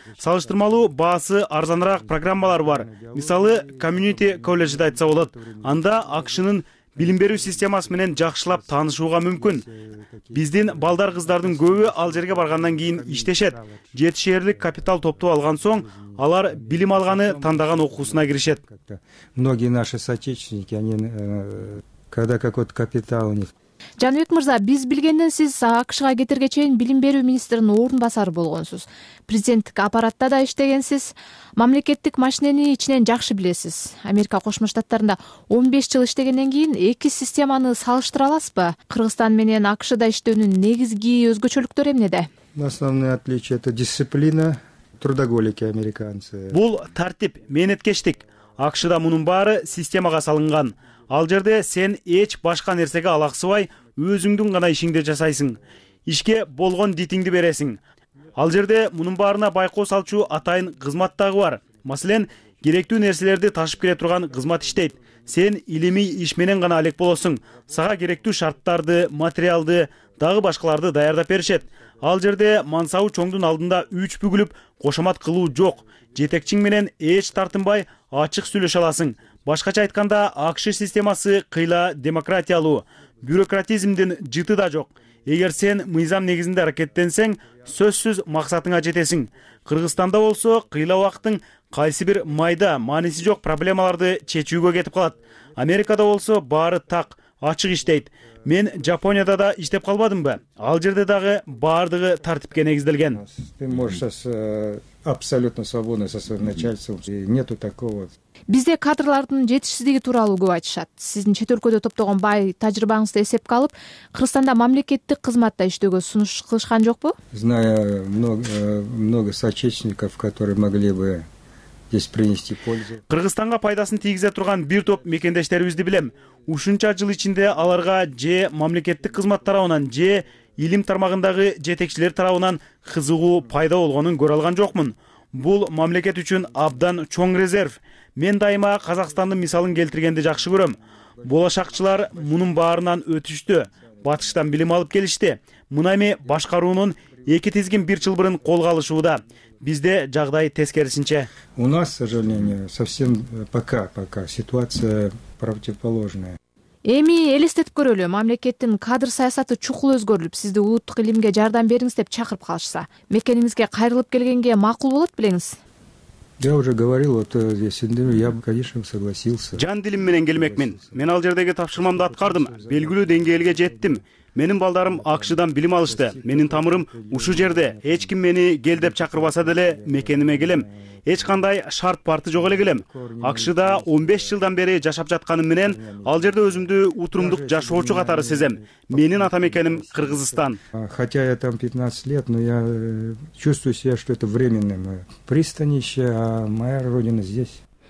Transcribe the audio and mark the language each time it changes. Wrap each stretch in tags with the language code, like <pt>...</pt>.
<ky>Салыштырмалуу баасы арзаныраак программалар бар. Мисалы, Community College'де айтса болот. Анда АКШ'нын билим берүү системасы менен жакшылап таанышууга мүмкүн. Биздин балдар кыздардын көбү ал жерге баргандан кийин иштешет. Жетишерлик капитал топтоп алган соң, алар билим алганы тандаган окуусуна киришет.</ky> <ru>Многие наши соотечественники, они когда какой-то капитал у них.</ru> <ky>Жаныбек мырза, биз билгенден сиз АКШ'га кетерге чейин билим берүү министринин орун басары болгонсуз. Президенттик аппаратта да иштегенсиз. Мамлекеттик машинени ичинен жакшы билесиз. Америка Кошмо Штаттарында 15 жыл иштегенден кийин эки системаны салыштыра аласызбы? Кыргызстан менен АКШ'да иштөөнүн негизги өзгөчөлүктөрү эмнеде?</ky> <ru>Основное отличие это дисциплина, трудоголики американцы.</ru> <ky>Бул тартип, мээнеткечтик. АКШ'да мунун баары системага салынган. Ал жерде сен эч башка нерсеге алаксыбай өзүңдүн гана ишиңди жасайсың. Ишке болгон дитиңди бересиң. Ал жерде мунун баарына байкоо салчу атайын кызмат дагы бар. Маселен, керектүү нерселерди ташып келе турган кызмат иштейт. Сен илимий иш менен гана алек болосуң. Сага керектүү шарттарды, материалды, дагы башкаларды даярдап беришет. Ал жерде мансабы чоңдун алдында үч бүгүлүп кошомат кылуу жок. Жетекчиң менен эч тартынбай ачык сүйлөшө аласың. Башкача айтканда, АКШ системасы кыйла демократиялуу, бюрократизмдин жыты да жок. Эгер сен мыйзам негизинде аракеттенсең, сөзсүз максатыңа жетесиң. Кыргызстанда болсо, кыйла убакыттын кайсы бир майда, мааниси жок проблемаларды чечүүгө кетип калат. Америкада болсо, баары так, ачык иштейт. Мен Жапонияда да иштеп калбадымбы? Ал жерде дагы баардыгы тартипке негизделген.</ky> <ru>Ты можешь сейчас абсолютно свободно со своим начальством. Нету такого.</ru> <ky>Бизде кадрлардын жетишсиздиги тууралуу көп айтышат. Сиздин чет өлкөдө топтогон бай тажрыйбаңызды эсепке алып, Кыргызстанда мамлекеттик кызматта иштөөгө сунуш кылышкан жокпу?</ky> <ru>Зная много соотечественников, которые могли бы здесь принести пользу.</ru> <ky>Кыргызстанга пайдасын тийгизе турган бир топ мекендештерибизди билем. Ушунча жыл ичинде аларга же мамлекеттик кызмат тарабынан же илим тармагындагы жетекчилер тарабынан кызыгуу пайда болгонун көрө алган жокмун. Бул мамлекет үчүн абдан чоң резерв. Мен дайыма Казакстандын мисалын келтиргенди жакшы көрөм. Болашакчылар мунун баарынан өтүштү, батыштан билим алып келишти. Мына эми башкаруунун эки тизгин бир чылбырын колго алышууда. Бизде жагдай тескерисинче.</ky> <ru>У нас, к сожалению, совсем пока ситуация противоположная.</ru> <ky>Эми элестетип көрөлү, мамлекеттин кадр саясаты чукул өзгөрүлүп, сизди улуттук илимге жардам бериңиз деп чакырып калышса, мекениңизге кайрылып келгенге макул болот белеңиз?</ky> <ru>Я уже говорил, вот здесь индивидуум, я бы, конечно, согласился.</ru> <ky>Жан дилим менен келмекмин. Мен ал жердеги тапшырмамды аткардым, белгилүү деңгээлге жеттим. Менин балдарым АКШ'дан билим алышты. Менин тамырым ушу жерде. Эч ким мени кел деп чакырбаса деле мекениме келем. Эч кандай шарт парты жок эле келем. АКШ'да 15 жылдан бери жашап жатканым менен ал жерде өзүмдү утурумдук жашоочу катары сезем. Менин ата мекеним Кыргызстан.</ky> <ru>Хотя я там 15 лет, но я чувствую себя, что это временное пристанище, а моя родина здесь.</ru>